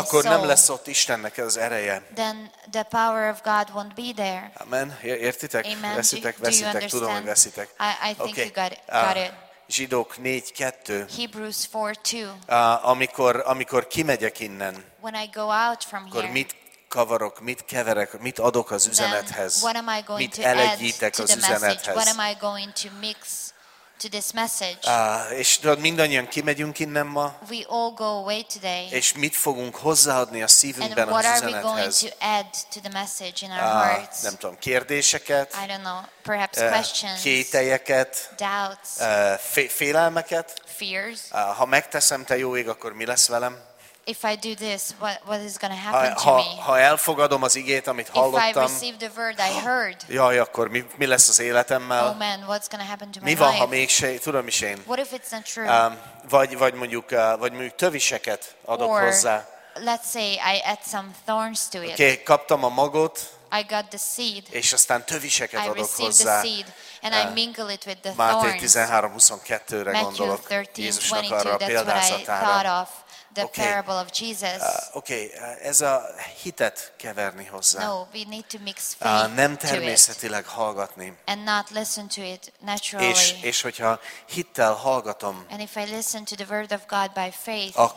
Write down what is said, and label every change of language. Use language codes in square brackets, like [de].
[hu] Akkor nem lesz ott Istennek az ereje. [en] Then the power of God won't be there. [hu] Amen. Értitek? [en] Amen. [hu] Veszitek. Tudom, hogy veszitek. [en] I think okay. You got it. [hu] Zsidók 4:2. [en] Hebrews 4:2. [hu] Amikor kimegyek innen. [en] When I go out from here. [hu] Akkor mit kavarok, mit keverek, mit adok az üzenethez? [en] What am I going [hu] mit elegyítek az üzenethez? [en] What am I going to mix to this message? [hu] És tudod, mindannyian kimegyünk innen ma. [en] We all go away today. [hu] És mit fogunk hozzáadni a szívünkben az üzenethez? [en] And what are we going to add to the message in our hearts? [hu] Nem tudom, kérdéseket. [en] I don't know. Perhaps questions. [hu] Kételyeket. [en] Doubts. [hu] Félelmeket. [en] Fears. [hu] Ha megteszem, te jó ég, akkor mi lesz velem? [en] If I do this, what is going to happen to me? [hu] Ha elfogadom az igét, amit hallottam. [en] If I receive the word I heard. [hu] Jaj, akkor mi lesz az életemmel? [en] Oh man, what's going to happen to my [hu] mi van, ha mégse, tudom is én. [en] What if it's not true? [hu] Vagy mondjuk töviseket adok [en] or, [hu] hozzá. [en] Let's say I add some thorns to it. [hu] Okay, kaptam a magot. [en] I got the seed. [hu] És aztán töviseket [en] I [hu] adok hozzá. [en] I received the seed and I mingle it with the thorns. [hu] Máté 13:22-re gondolok. Jézusnak arra a példázatára. [en] The okay. Parable of Jesus. [hu] Ez a hitet keverni hozzá. [en] No, we need to mix faith. [hu] Nem természetileg hallgatni. [en] And not listen to it naturally. [hu] És hogyha hittel hallgatom. [en] And if I listen to the word of God by faith.